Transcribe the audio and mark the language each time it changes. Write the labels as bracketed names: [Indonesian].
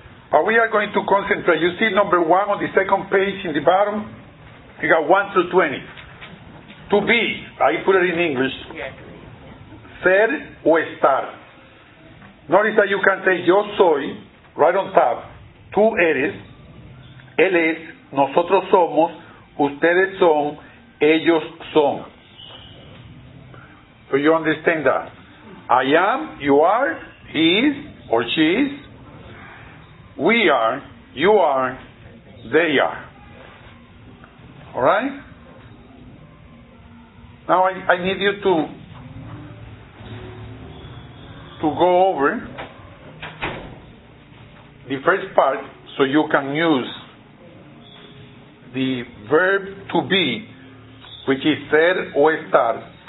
[English] But we are going to concentrate. You see number one on the second page in the bottom? You got 1 through 20. To be, I put it in English. [Spanish] Ser o estar. [English] Notice that you can say [Spanish] yo soy, [English] right on top. [Spanish] Tú eres, él es, nosotros somos, ustedes son, ellos son. [English] So you understand that. I am, you are, he is, or she is. We are, you are, they are. All right? Now I need you to go over the first part so you can use the verb to be, which is [Spanish] ser o estar.